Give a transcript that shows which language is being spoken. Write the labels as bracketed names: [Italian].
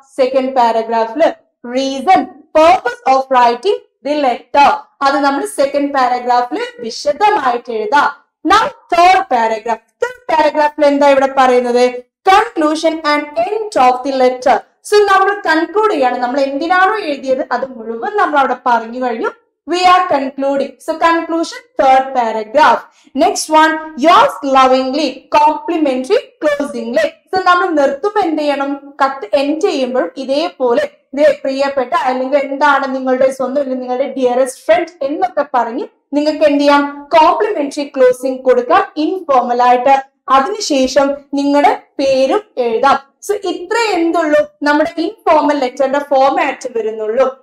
[Malayalam] Second പാരഗ്രാഫില് reason, purpose of writing the letter, അത് നമ്മൾ second പാരഗ്രാഫിൽ വിശദമായിട്ട് എഴുതാം. [English] Now third paragraph. [Malayalam] തേർഡ് പാരഗ്രാഫിൽ എന്താ ഇവിടെ പറയുന്നത്? [English] Conclusion and end of the letter. [Malayalam] So നമ്മൾ കൺക്ലൂഡ് ചെയ്യാണ്, നമ്മൾ എന്തിനാണോ എഴുതിയത് അത് മുഴുവൻ നമ്മൾ അവിടെ പറഞ്ഞു കഴിഞ്ഞു. [English] We are concluding. So conclusion, third paragraph. Next one, yours lovingly, complimentary, closingly. [Malayalam] So നമ്മൾ നിർത്തും എന്ത് ചെയ്യണം, കത്ത് എൻഡ് ചെയ്യുമ്പോൾ ഇതേപോലെ പ്രിയപ്പെട്ട അല്ലെങ്കിൽ എന്താണ് നിങ്ങളുടെ സ്വന്തം അല്ലെങ്കിൽ നിങ്ങളുടെ ഡിയറസ്റ്റ് ഫ്രണ്ട് എന്നൊക്കെ പറഞ്ഞ് നിങ്ങൾക്ക് എന്ത് ചെയ്യാം, കോംപ്ലിമെന്ററി ക്ലോസിംഗ് കൊടുക്കാം ഇൻഫോർമൽ ആയിട്ട്. അതിനുശേഷം നിങ്ങളുടെ പേരും എഴുതാം. സോ ഇത്ര എന്തുള്ളൂ നമ്മുടെ ഇൻഫോർമൽ ലെറ്ററിന്റെ ഫോർമാറ്റ് വരുന്നുള്ളൂ.